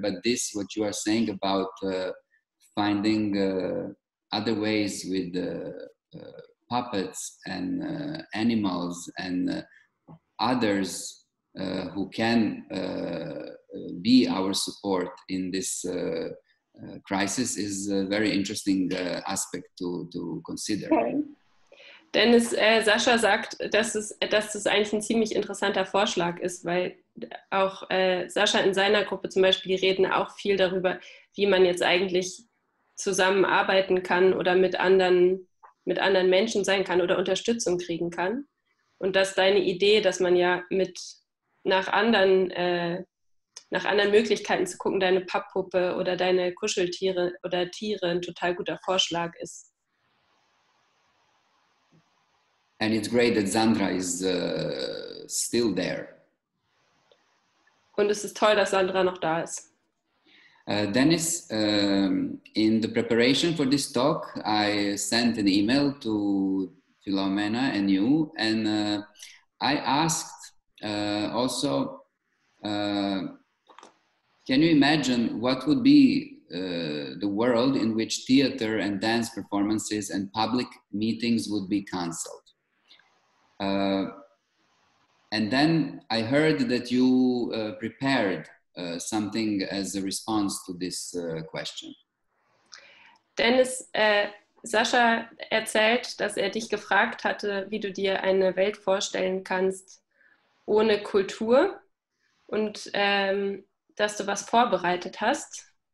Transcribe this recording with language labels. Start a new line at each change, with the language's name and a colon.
English: But this, what you are saying about finding other ways with puppets and animals and others who can be our support in this crisis is a very interesting aspect to consider.
German: Dennis, Sascha sagt, dass das eigentlich ein ziemlich interessanter Vorschlag ist, weil auch Sascha in seiner Gruppe zum Beispiel reden auch viel darüber, wie man jetzt eigentlich zusammenarbeiten kann oder mit anderen Menschen sein kann oder Unterstützung kriegen kann. Und dass deine Idee, dass man ja mit nach anderen Möglichkeiten zu gucken, deine Papppuppe oder deine Kuscheltiere oder Tiere, ein total guter Vorschlag ist.
English: And it's great that Sandra is still there.
German: Und es ist toll, dass Sandra noch da ist.
English: Dennis, in the preparation for this talk, I sent an email to Philomena and you, and I asked also, can you imagine what would be the world in which theater and dance performances and public meetings would be canceled? And then I heard that you prepared something as a response to this question.
German: Dennis, Sascha erzählt, dass er dich gefragt hatte, wie du dir eine Welt vorstellen kannst ohne Kultur und dass du was vorbereitet hast.